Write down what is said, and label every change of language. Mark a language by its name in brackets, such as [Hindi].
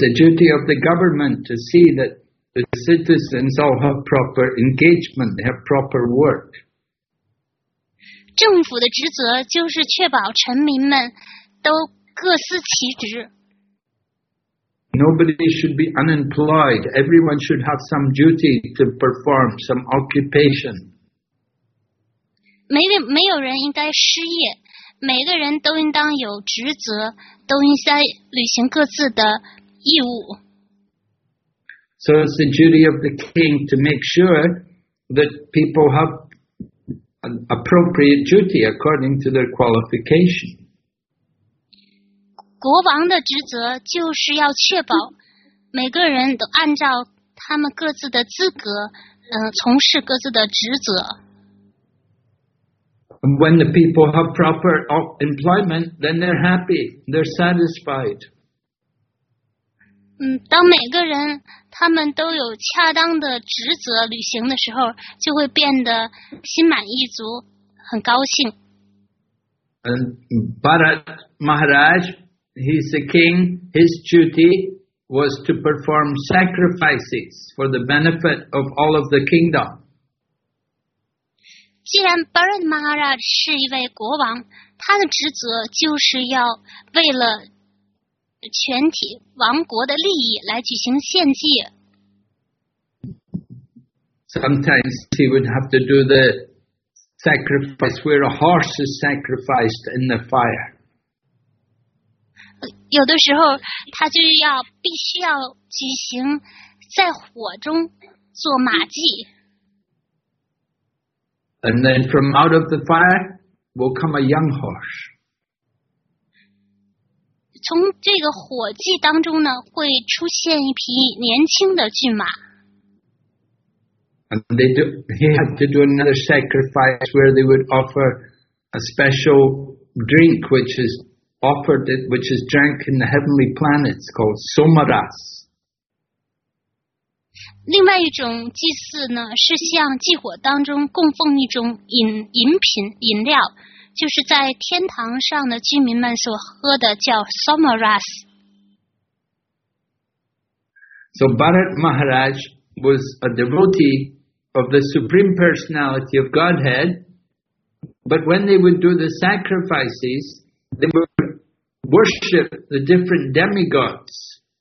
[English] the duty of the government to see that the citizens all have proper engagement, have proper work. [Chinese] 政府的职责就是确保臣民们都各司其职。 [English] Nobody should be unemployed. Everyone should have some duty to perform, some occupation. [Chinese] 没有人应该失业，每个人都应当有职责，都应该履行各自的义务。 [English] So it's the duty of the king to make sure that people have appropriate duty according to their qualification. [Chinese] 国王的职责就是要确保每个人都按照他们各自的资格，从事各自的职责。 [English] When the people have proper employment, then they're happy, they're satisfied. [Chinese] 当每个人他们都有恰当的职责履行的时候，就会变得心满意足，很高兴。 [English] And Bharat Maharaj, he's the king, his duty was to perform sacrifices for the benefit of all of the kingdom. [Chinese] 既然 Bharat Maharaj 是一位国王，他的职责就是要为了全体王国的利益来举行献祭。 [English] Sometimes he would have to do the sacrifice where a horse is sacrificed in the fire. [Chinese] 有的时候他就要必须要举行在火中做马祭。 [English] And then from out of the fire will come a young horse. [Chinese] 从这个火祭当中呢，会出现一匹年轻的骏马。 [English] And he had to do another sacrifice where they would offer a special drink, which is drank in the heavenly planets called Somaras. [Chinese] 另外一种祭祀呢，是向祭火当中供奉一种饮品饮料，就是在天堂上的居民们所喝的，叫 Somaras。 [English] So Bharat Maharaj was a devotee of the Supreme Personality of Godhead, but when they would do the sacrifices, they would worship the different demigods.